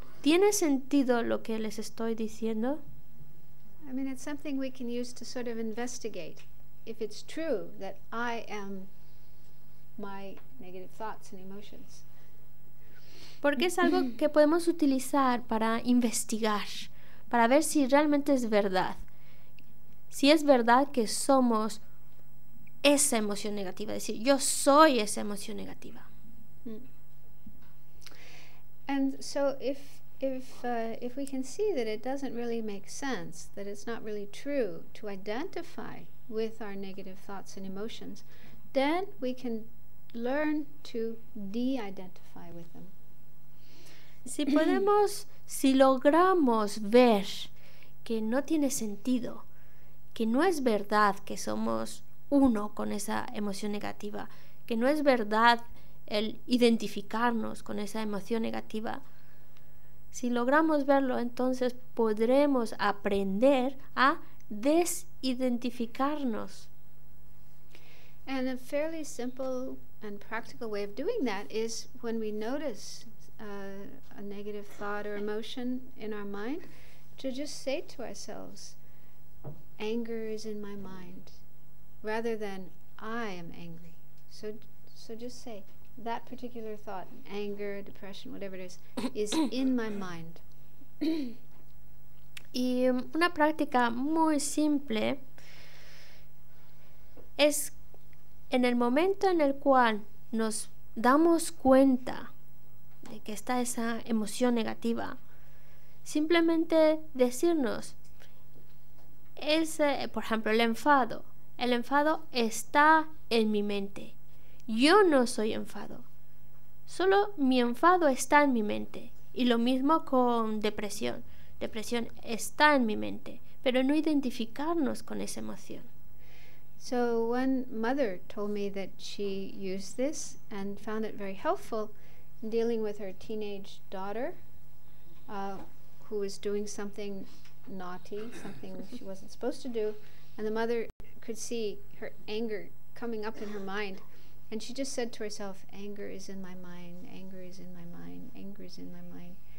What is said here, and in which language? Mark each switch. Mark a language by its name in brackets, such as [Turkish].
[Spanish] ¿Tiene sentido lo que les estoy diciendo? [English] I mean, it's something we can use to sort of investigate if it's true that I am my negative thoughts and emotions. [Spanish] Porque es algo que podemos utilizar para investigar, para ver si realmente es verdad. Si es verdad que somos esa emoción negativa, es decir, yo soy esa emoción negativa. [English] And so if we can see that it doesn't really make sense, that it's not really true to identify with our negative thoughts and emotions, then we can learn to de-identify with them. [Spanish] Si podemos, si logramos ver que no tiene sentido, que no es verdad que somos uno con esa emoción negativa, que no es verdad el identificarnos con esa emoción negativa, si logramos verlo, entonces podremos aprender a desidentificarnos. [English] And a fairly simple and practical way of doing that is when we notice a negative thought or emotion in our mind, to just say to ourselves, anger is in my mind, rather than I am angry. So just say that particular thought, anger, depression, whatever it is in my mind. [Spanish] Y una práctica muy simple es en el momento en el cual nos damos cuenta de que está esa emoción negativa, simplemente decirnos ese, por ejemplo, el enfado está en mi mente, yo no soy enfado, solo mi enfado está en mi mente. Y lo mismo con depresión está en mi mente, pero no identificarnos con esa emoción. [English] So one mother told me that she used this and found it very helpful. dealing with her teenage daughter, who was doing something naughty, something she wasn't supposed to do, and the mother could see her anger coming up in her mind, and she just said to herself, anger is in my mind, anger is in my mind, anger is in my mind.